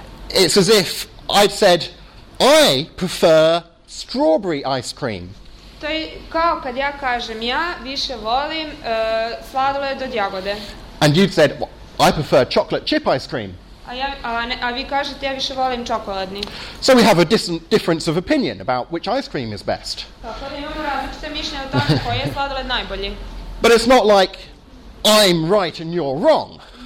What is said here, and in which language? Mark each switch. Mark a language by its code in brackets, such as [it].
[en] It's as if I'd said, I prefer strawberry ice cream. And you'd said, well, I prefer chocolate chip ice cream. [sr] A vi kažete ja više volim čokoladni. [en] So we have a difference of opinion about which ice cream is best. [sr] Tako da imamo različite mišljenje o tome koji je sladoled najbolji. [en] But it's not like I'm right and you're wrong.